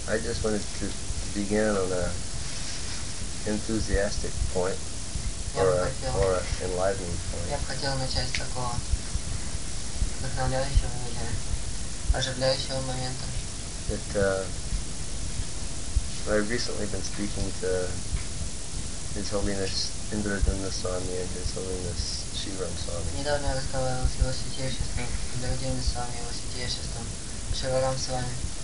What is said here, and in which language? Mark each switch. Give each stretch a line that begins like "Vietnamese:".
English: I just wanted to begin on an enthusiastic point. or an enlightening point.
Russian: Я бы хотел начать с такого вдохновляющего или оживляющего момента.
English: I've recently been speaking to His Holiness Indra Dhamma Swami and His Holiness Shivaram Swami.
Russian: Недавно я разговаривал с Его Святейшеством Индра Дхамма Свами, Его Святейшеством Шиварам Свами.